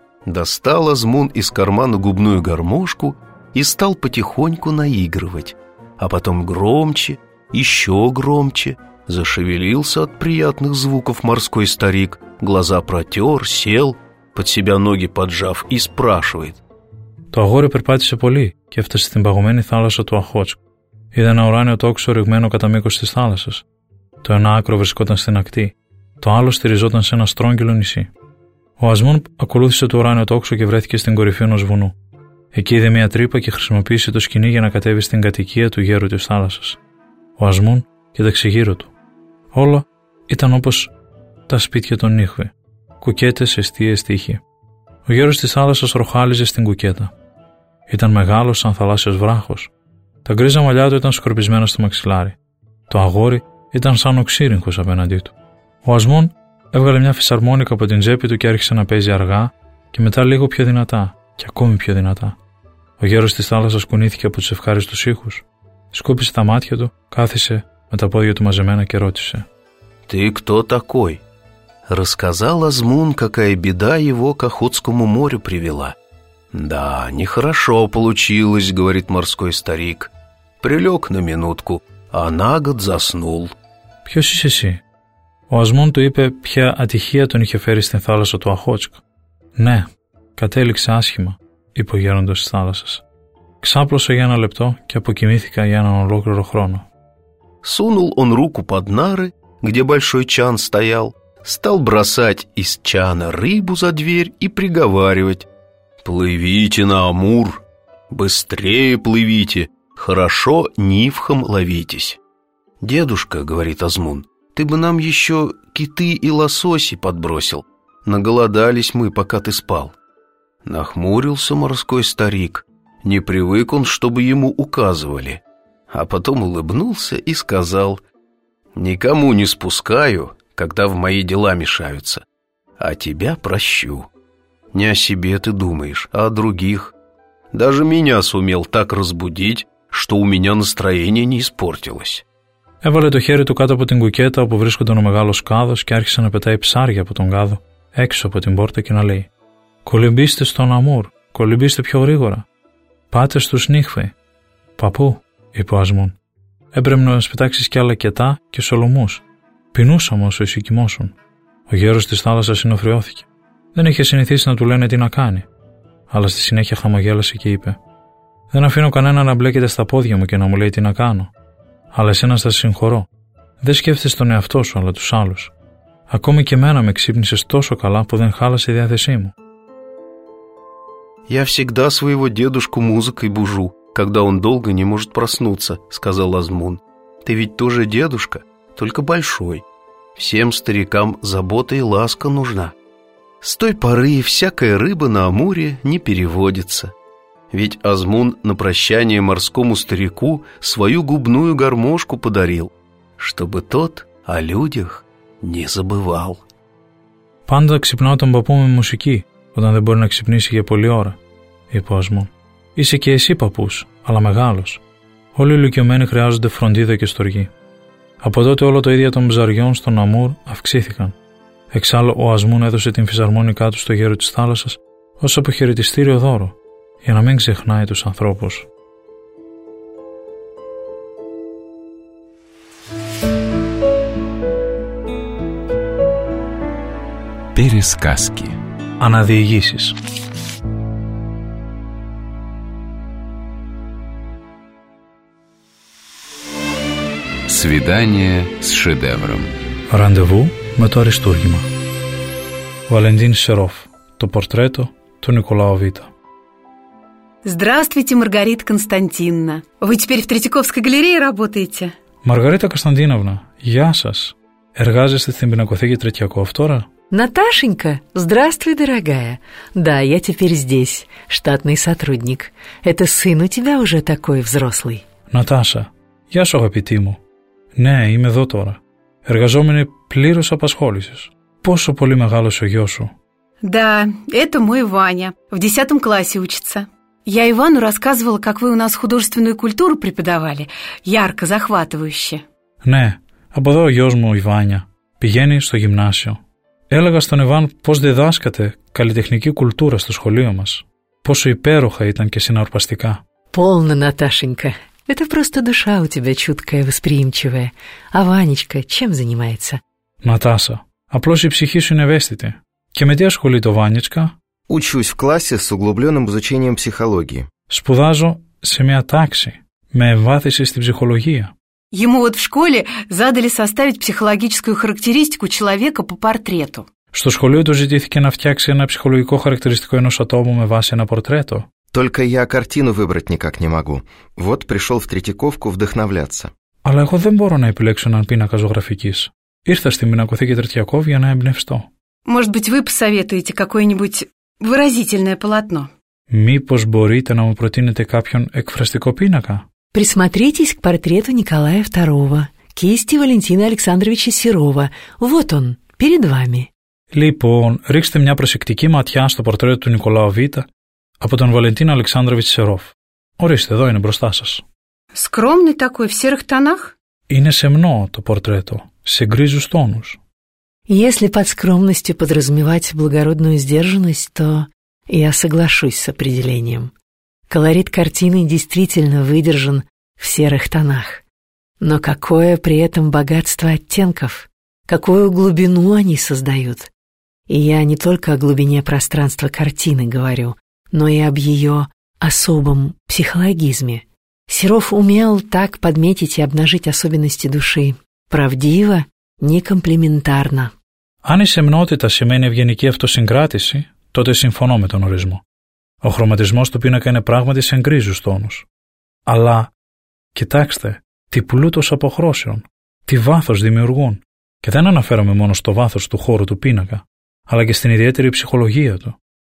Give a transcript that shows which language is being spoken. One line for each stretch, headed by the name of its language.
Russian: Достал Азмун из кармана губную гармошку и стал потихоньку наигрывать. А потом громче, еще громче. Зашевелился от приятных звуков морской старик, глаза протер, сел, под себя ноги поджав, и спрашивает.
Greek: Το αγόρι περπάτησε πολύ και έφτασε στην παγωμένη θάλασσα του Αχότσκ. Είδε ένα ουράνιο τόξο ρηγμένο κατά μήκος της θάλασσας. Το ένα άκρο βρισκόταν στην ακτή, το άλλο στηριζόταν σε ένα στρόγγυλο νησί. Ο Ασμούν ακολούθησε το ουράνιο τόξο και βρέθηκε στην κορυφή ενός βουνού. Εκεί είδε μια τρύπα και χρησιμοποίησε το σκοινί για να κατέβει στην κατοικία του γέρου της θάλασσας. Ο Ασμούν κοίταξε γύρω του. Όλα ήταν όπως τα σπίτια των Νύχβη. Κουκέτες, εστίες, τείχοι. Ο γέρος της θάλασσας ροχάλιζε στην κουκέτα. Ήταν μεγάλος σαν θαλάσσιος βράχος. Τα γκρίζα μαλλιά του ήταν σκορπισμένα στο μαξιλάρι. Το αγόρι ήταν σαν οξύριγχος απέναντί του. Ο Ασμούν έβγαλε μια φυσαρμόνικα από την τσέπη του και άρχισε να παίζει αργά και μετά λίγο πιο δυνατά και ακόμη πιο δυνατά. Ο γέρος της θάλασσας κουνήθηκε από τους ευχάριστους ήχους. Σκούπισε τα μάτια του, κάθισε με τα πόδια του μαζεμένα και ρώτησε. «Τι
Russian: кто такой?» Рассказал Азмун, какая беда его к Охотскому морю привела. «Да, нехорошо получилось», — говорит морской старик. Прилег на минутку, а на год заснул.
Greek: «Ποιος είσαι εσύ?» Ο Ασμούν του είπε ποια ατυχία τον είχε φέρει στην θάλασσα του Αχότσκ. «Ναι, κατέληξε άσχημα», είπε ο γέροντος της θάλασσας. «Ξάπλωσα για ένα λεπτό και αποκοιμήθηκα για έναν ολόκληρο χρόνο».
Russian: Сунул он руку под нары, где большой чан стоял, стал бросать из чана рыбу за дверь и приговаривать: «Плывите на Амур! Быстрее плывите! Хорошо нивхом ловитесь!» «Дедушка, — говорит Азмун, — ты бы нам еще киты и лососи подбросил. Наголодались мы, пока ты спал». Нахмурился морской старик. Не привык он, чтобы ему указывали. А потом улыбнулся и сказал: «Никому не спускаю, когда в мои дела мешаются, а тебя прощу. Не о себе ты думаешь, а о других. Даже меня сумел так разбудить, что у меня настроение не испортилось».
Greek: Έβαλε το χέρι του κάτω από την κουκέτα όπου βρίσκονταν ο μεγάλος κάδος και άρχισε να πετάει ψάρια από τον κάδο έξω από την πόρτα και να λέει: «Κολυμπήστε στον Αμούρ, κολυμπήστε πιο γρήγορα. Πάτε στους Νύχβε». «Παππού», είπε ο Ασμούν, «έπρεπε να μας πετάξεις κι άλλα κετά και σολομούς. Πεινούσαμε όσο εσύ κοιμόσουν». Ο γέρος της θάλασσας συνοφριώθηκε. Δεν είχε συνηθίσει να του λένε τι να κάνει. Αλλά στη συνέχεια χαμογέλασε και είπε: «Δεν αφήνω κανένα να μπλέκεται στα πόδια μου και να μου λέει τι να κάνω. Αλλά εσένα θα συγχωρώ. Δεν σκέφτεσαι τον εαυτό σου, αλλά τους άλλους. Ακόμη και εμένα με ξύπνησες τόσο καλά που δεν χάλασε η διάθεσή μου».
Russian: «Я всегда своего дедушку музыкой бужу, когда он долго не может проснуться», — сказал Азмун. «Ты ведь тоже дедушка, только большой. Всем старикам забота и ласка нужна. С той поры всякая рыба на Амуре не переводится. Ведь Азмун на прощание морскому старику свою губную гармошку подарил, чтобы тот о людях не забывал».
Greek: «Панда ксипнал там папуме мусики, куда не борь на ксипнисье полиора», — и по Азмун. «Είσαι και εσύ, παππούς, αλλά μεγάλος. Όλοι οι ηλικιωμένοι χρειάζονται φροντίδα και στοργή. Από τότε όλα τα ίδια των ψαριών στον Αμούρ αυξήθηκαν. Εξάλλου ο Ασμούν έδωσε την φυσαρμόνικά του στο γέρο της θάλασσας ως αποχαιρετιστήριο δώρο, για να μην ξεχνάει τους ανθρώπους.
Russian: Пересказки.
Greek: Αναδιηγήσεις.
Russian: Свидание с шедевром.
Greek: Ραντεβού με το αριστούργημα.
Russian: Валентин Серов.
Greek: Το πορτρέτο του Νικολάου Βίτα.
Russian: Здравствуйте, Маргарита Константиновна. Вы теперь в Третьяковской галерее работаете?
Greek: Маргарита Константиновна, γεια σας. Εργάζεστε στην Πινακοθήκη Τρετιακόφ τώρα?
Russian: Наташенька, здравствуй, дорогая. Да, я теперь здесь, штатный сотрудник. Это сын у тебя уже такой взрослый.
Greek: Наташа, γεια σου, αγαπητή μου. Ναι, είμαι εδώ τώρα. Εργαζόμενη πλήρως απασχόλησης. Πόσο πολύ μεγάλος ο γιος σου?
Russian: Да, это мой Ваня. В 10 классе учится. Я Ивану рассказывала, как вы у нас художественную культуру преподавали. Ярко, захватывающе.
Greek: Ναι, από εδώ ο γιος μου, η Ваня, πηγαίνει στο γυμνάσιο. Έλεγα στον Ιβάν πώς διδάσκατε καλλιτεχνική κουλτούρα στο σχολείο μας. Πόσο υπέροχα ήταν και συναρπαστικά.
Russian: Полно, Наташенька. Это просто душа у тебя чуткая, восприимчивая. А Ванечка чем занимается?
Greek: Наташа, απλώς η ψυχή σου είναι ευαίσθητη. Και με τι ασχολείται ο Ванечка?
Russian: Учусь в классе с углубленным изучением психологии.
Greek: Σπουδάζω σε μια τάξη με εμβάθυνση στην ψυχολογία.
Russian: Ему вот в школе задали составить психологическую характеристику человека по портрету.
Greek: Στο σχολείο του ζητήθηκε να φτιάξει ένα ψυχολογικό χαρακτηριστικό ενός ατόμου με βάση ένα πορτρέτο.
Russian: Только я картину выбрать никак не могу. Вот пришел в Третьяковку вдохновляться.
Greek: Αλλά εγώ δεν μπορώ να επιλέξω έναν πίνακα ζωγραφικής. Ήρθα στην Πινακοθήκη Τρετιακόφ για να εμπνευστώ.
Russian: Может быть, вы посоветуете какое-нибудь выразительное полотно?
Greek: Μήπως μπορείτε να μου προτείνετε κάποιον εκφραστικό πίνακα?
Russian: Присмотритесь к портрету Николая II, кисти Валентина Александровича Серова. Вот он, перед вами.
Greek: Λοιπόν, ρίξτε μια προσεκτική ματιά στο πορτρέτο του Νικολάου Β' από τον Βαλεντίνο Αλεξάνδροβιτ Σερόφ. Ορίστε, εδώ είναι μπροστά σας.
Russian: Σκρόμνη такой, в серых тонах?
Greek: Είναι σεμνό το πορτρέτο, σε γκρίζους τόνους.
Russian: Если под скромностью подразумевать благородную сдержанность, то я соглашусь с определением. Колорит картины действительно выдержан в серых тонах. Но какое при этом богатство оттенков, какую глубину они создают. И я не только о глубине пространства картины говорю, но и об ее особом психологизме. Серов умел так подметить и обнажить особенности души. Правдиво, не комплиментарно.
Greek: Αν η σεμνότητα σημαίνει ευγενική αυτοσυγκράτηση, τότε συμφωνώ με τον ορισμό. Ο χρωματισμός του πίνακα είναι πράγματι σε γκρίζους τόνους. Αλλά, κοιτάξτε, τι πλούτος αποχρώσεων, τι βάθος δημιουργούν. Και δεν αναφέρομαι μόνο στο βάθος του χώρου του πίνακα, αλλά και στην ιδιαίτερη ψυχολογία του.